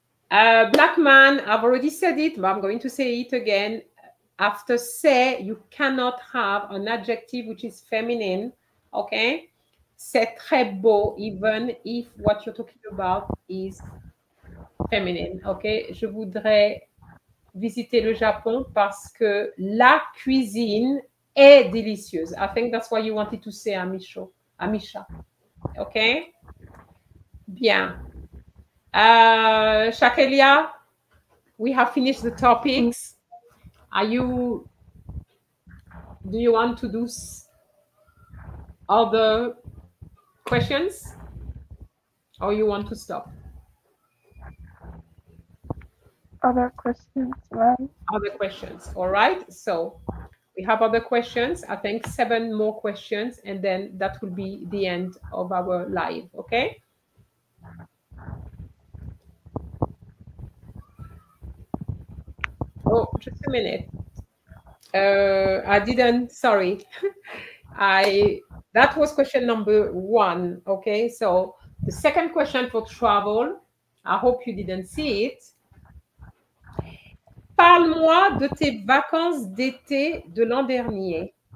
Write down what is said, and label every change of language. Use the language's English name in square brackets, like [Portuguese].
[English] Black man, I've already said it, but I'm going to say it again. After c'est, you cannot have an adjective which is feminine, okay? [French] C'est très beau, [English] even if what you're talking about is feminine, okay? [French] Je voudrais visiter le Japon parce que la cuisine est délicieuse. [English] I think that's what you wanted to say, Amisha, okay? Bien. Shakelia, we have finished the topics. Do you want to do other questions or you want to stop? Other questions, right? Other questions, all right. So we have other questions. I think 7 more questions and then that will be the end of our live, okay? Oh, just a minute. That was question number one, okay? So the second question for travel, I hope you didn't see it. [French] Parle-moi de tes vacances d'été de l'an dernier.